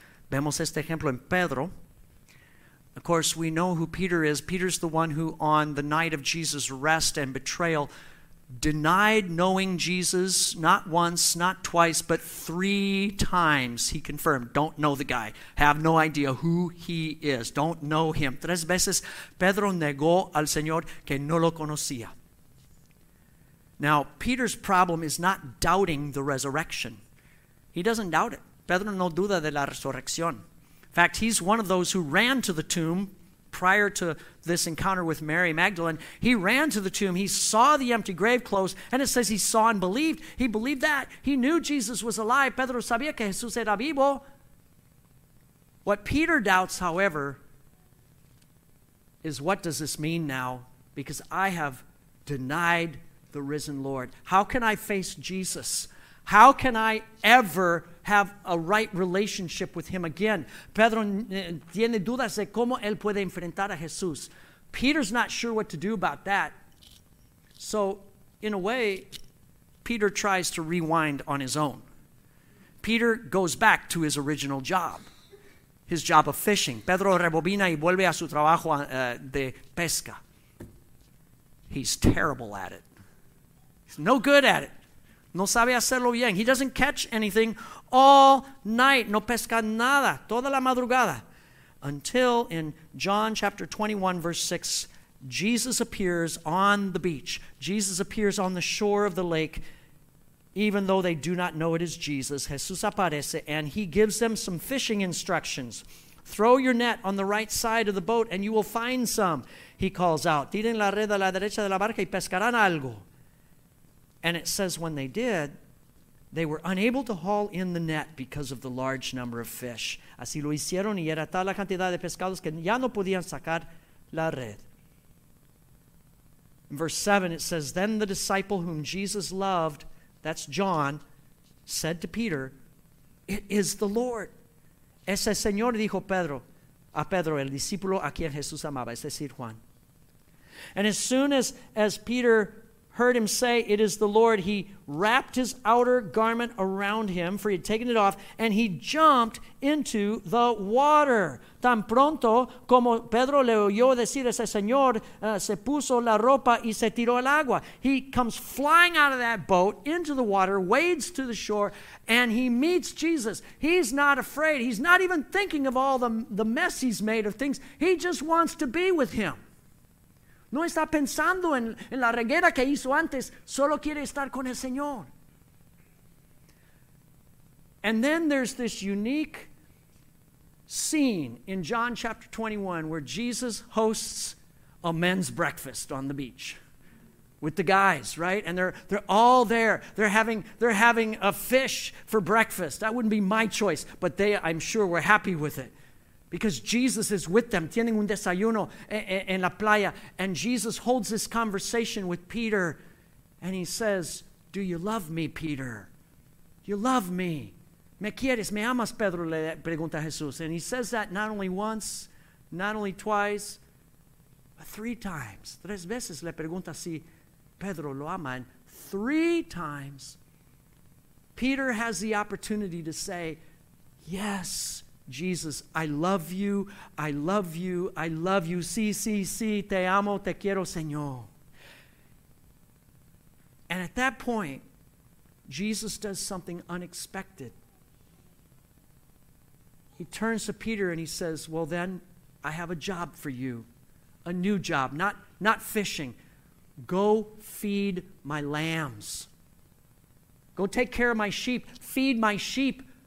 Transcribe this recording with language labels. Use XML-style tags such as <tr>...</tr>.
<es>Vemos este ejemplo en Pedro.</es> <en>Of course, we know who Peter is. Peter's the one who, on the night of Jesus' arrest and betrayal, denied knowing Jesus, not once, not twice, but three times. He confirmed, don't know the guy. Have no idea who he is. Don't know him.</en> <es>Tres veces Pedro negó al Señor que no lo conocía.</es> <en>Now, Peter's problem is not doubting the resurrection. He doesn't doubt it.</en> <es>Pedro no duda de la resurrección.</es> <en>In fact, he's one of those who ran to the tomb prior to this encounter with Mary Magdalene. He ran to the tomb. He saw the empty grave close, and it says he saw and believed. He believed that. He knew Jesus was alive.</en> <es>Pedro sabía que Jesús era vivo.</es> <en>What Peter doubts, however, is what does this mean now? Because I have denied the risen Lord. How can I face Jesus? How can I ever have a right relationship with him again?</en> <es>Pedro tiene dudas de cómo él puede enfrentar a Jesús.</es> <en>Peter's not sure what to do about that. So, in a way, Peter tries to rewind on his own. Peter goes back to his original job, his job of fishing.</en> <es>Pedro rebobina y vuelve a su trabajo de pesca.</es> <en>He's terrible at it. No good at it.</en> <es>No sabe hacerlo bien.</es> <en>He doesn't catch anything all night.</en> <es>No pesca nada. Toda la madrugada.</es> <en>Until in John chapter 21, verse 6, Jesus appears on the beach. Jesus appears on the shore of the lake, even though they do not know it is Jesus.</en> <es>Jesús aparece,</es> <en>and he gives them some fishing instructions. Throw your net on the right side of the boat, and you will find some, he calls out.</en> <es>Tiren la red a la derecha de la barca y pescarán algo.</es> <en>And it says when they did, they were unable to haul in the net because of the large number of fish.</en> <es>Así lo hicieron y era tal la cantidad de pescados que ya no podían sacar la red.</es> <en>In verse 7, it says, "Then the disciple whom Jesus loved," that's John, "said to Peter, 'It is the Lord.'"</en> <es>Ese Señor dijo Pedro, a Pedro, el discípulo a quien Jesús amaba, es decir, Juan.</es> <en>And as soon as Peter heard him say, "It is the Lord," he wrapped his outer garment around him, for he had taken it off, and he jumped into the water.</en> <es>Tan pronto como Pedro le oyó decir ese Señor, se puso la ropa y se tiró al agua.</es> <en>He comes flying out of that boat into the water, wades to the shore, and he meets Jesus. He's not afraid. He's not even thinking of all the mess he's made of things. He just wants to be with him.</en> <es>No está pensando en la reguera que hizo antes. Solo quiere estar con el Señor.</es> <en>And then there's this unique scene in John chapter 21 where Jesus hosts a men's breakfast on the beach with the guys, right? And they're all there. They're having a fish for breakfast. That wouldn't be my choice, but they, I'm sure, were happy with it. Because Jesus is with them.</en> <es>Tienen un desayuno en la playa.</es> <en>And Jesus holds this conversation with Peter. And he says, "Do you love me, Peter? You love me.</en> <es>¿Me quieres? ¿Me amas, Pedro?" le pregunta Jesús.</es> <en>And he says that not only once, not only twice, but three times.</en> <es>Tres veces le pregunta si Pedro lo ama.</es> <en>And three times, Peter has the opportunity to say, "Yes, Jesus, I love you, I love you, I love you.</en> <es>Sí, sí, sí, te amo, te quiero, Señor."</es> <en>And at that point, Jesus does something unexpected. He turns to Peter and he says, "Well then, I have a job for you, a new job, not fishing. Go feed my lambs. Go take care of my sheep, feed my sheep.</en>